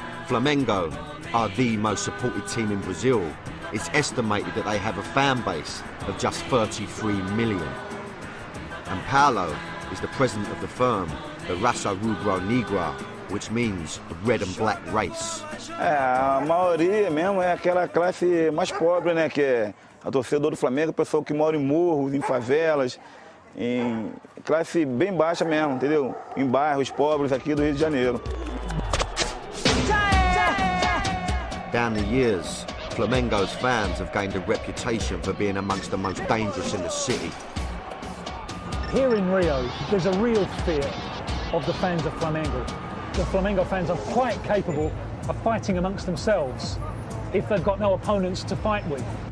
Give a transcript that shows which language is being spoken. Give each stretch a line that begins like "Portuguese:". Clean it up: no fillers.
English: Flamengo are the most supported team in Brazil. It's estimated that they have a fan base of just 33 million. And Paulo is the president of the firm, the Raça Rubro Negra, which means red and black race.
Portuguese: É, a maioria mesmo é aquela classe mais pobre, né, que é a torcedor do Flamengo, a pessoa que mora em morros, em favelas, em classe bem baixa mesmo, entendeu? Em bairros pobres aqui do Rio de Janeiro.
English: Down the years, Flamengo's fans have gained a reputation for being amongst the most dangerous in the city. Here in Rio, there's a real fear of the fans of Flamengo. The Flamengo fans are quite capable of fighting amongst themselves if they've got no opponents to fight with.